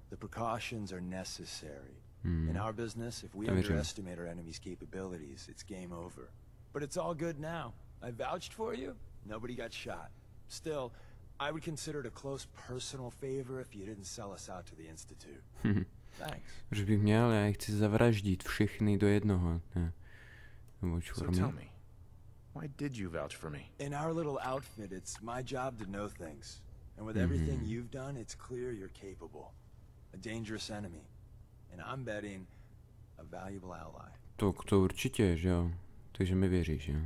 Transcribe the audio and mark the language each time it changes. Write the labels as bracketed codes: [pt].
[en] The precautions are necessary. In our business, if we underestimate our enemy's capabilities, it's game over. But it's all good now. I vouched for you, nobody got shot. Still, I would consider it a close personal favor if you didn't sell us out to the institute. Thanks. [cs] Že bych měl, já chci zavraždit všechny do jednoho. [en] So tell me, why did you vouch for me? In our little outfit, it's my job to know things. And with everything you've done, it's clear you're capable. A dangerous enemy. And I'm betting a valuable ally. [cs] To určitě, že jo. Takže mi věříš, jo.